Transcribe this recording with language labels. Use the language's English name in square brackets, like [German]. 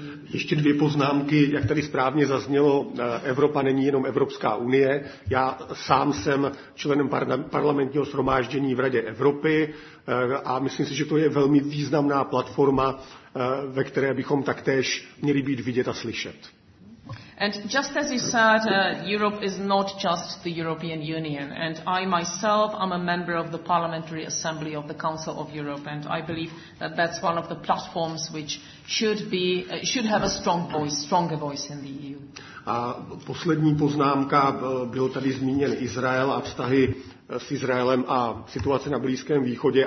[Czech] Ještě dvě poznámky, jak tady správně zaznělo, Evropa není jenom Evropská unie. Já sám jsem členem parlamentního shromáždění v Radě Evropy a myslím si, že to je velmi významná platforma, ve které bychom taktéž měli být vidět a slyšet. [English] And just as you said, Europe is not just the European Union. And I myself, I'm a member of the Parliamentary Assembly of the Council of Europe. And I believe that that's one of the platforms which should have a stronger voice in the EU. [Czech] A poslední poznámka, byl tady zmíněn Izrael a vztahy s Izraelem a situace na Blízkém východě.